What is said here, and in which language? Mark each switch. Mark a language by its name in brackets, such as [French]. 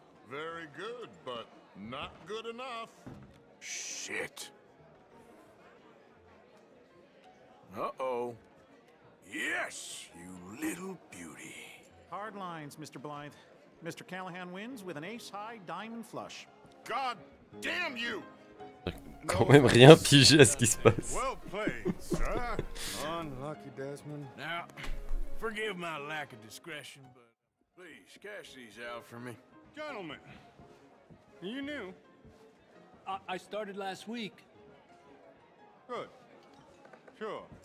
[English] Very good, but not good enough. Shit. Uh-oh. Yes, you little beauty. Hard lines, Mr. Blythe. Mr. Callahan wins with an ace high diamond flush. God damn you! [French] Quand même rien pigé à ce qui se passe. [English] Well played, sir. Unlucky Desmond. Now, forgive my lack of discretion, but please cash these out for me. Gentlemen, you knew. I started last week. Good. Sure.